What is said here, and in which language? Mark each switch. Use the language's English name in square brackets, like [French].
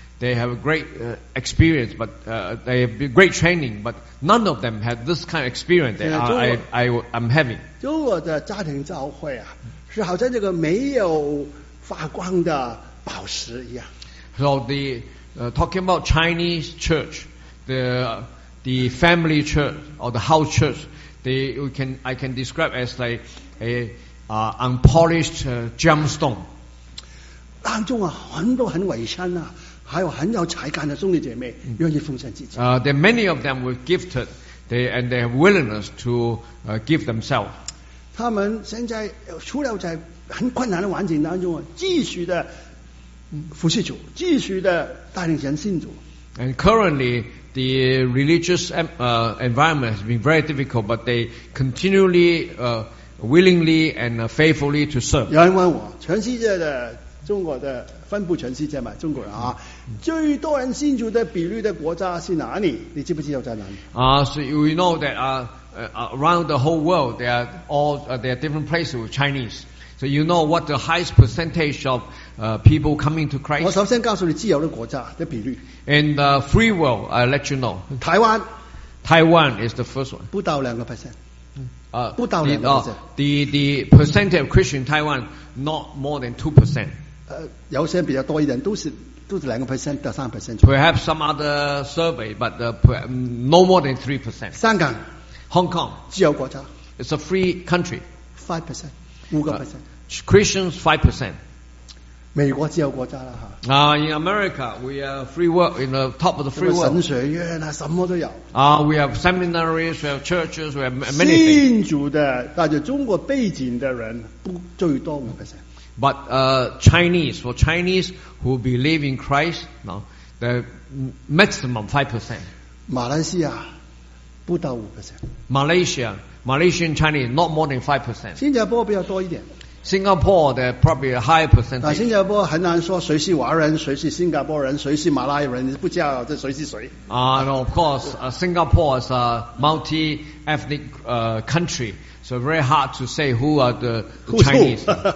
[English] They have a great experience, but they have great training, but none of them had this kind of experience that I'm having. [Chinese] 中国的家庭教会啊，是好像这个没有发光的宝石一样。 [English] So talking about Chinese church, the the family church or the house church, I can describe as like a unpolished gemstone. [Chinese] 当中, 很多很为身, 还有很有才干的, 兄弟姐妹, 愿意奉献自己。 [English] There are many of them were gifted, and they have willingness to give themselves. [Chinese] 他们现在除了在很困难的环境当中, 继续的服侍主, 继续的带领人信主。 [English] And currently, the religious environment has been very difficult, but they continually, willingly and faithfully to serve. [Chinese] 有人问我, 全世界的, 中国的分布全世界嘛, 中国人啊, 最多人信主的比率的国家是哪里? 你知不知道在哪里? [English] So you know that around the whole world, there are all there are different places with Chinese. So you know what the highest percentage of people coming to Christ. [Chinese] 我首先告诉你自由的国家的比率。 [English] In the free world, I'll let you know. [Chinese] 台湾, [English] Taiwan is the first one. [Chinese] 不到2%。 [English] The percentage of Christian Taiwan, not more than 2%. [Chinese] 有些比较多一点, 都是 2% 到 3%。 [English] Perhaps some other survey, but no more than 3%. [Chinese] 香港, [English] Hong Kong, [Chinese] 自由国家, [English] it's a free country. [Chinese] 5%, 5%。 [English] Christians 5%. [Chinese] 美国自由国家啦, [English] In America, we are free world, in the top of the free world. [Chinese] 神学院啊, 什么都有。 [English] We have seminaries, we have churches, we have many things. [Chinese] 信主的, 带着中国背景的人, 最多 5%。 [English] But Chinese, for Chinese who believe in Christ, no, the maximum 5%. [Chinese] 马来西亚, 不到 5%。 [English] Malaysia, Malaysian Chinese, not more than 5%. [Chinese] 新加坡比较多一点。 [English] Singapore, they're probably a high percentage. [Chinese] 但新加坡很难说谁是华人，谁是新加坡人，谁是马来人，你不知道这谁是谁。 [English] No, of course, Singapore is a multi-ethnic country, so very hard to say who are the Chinese.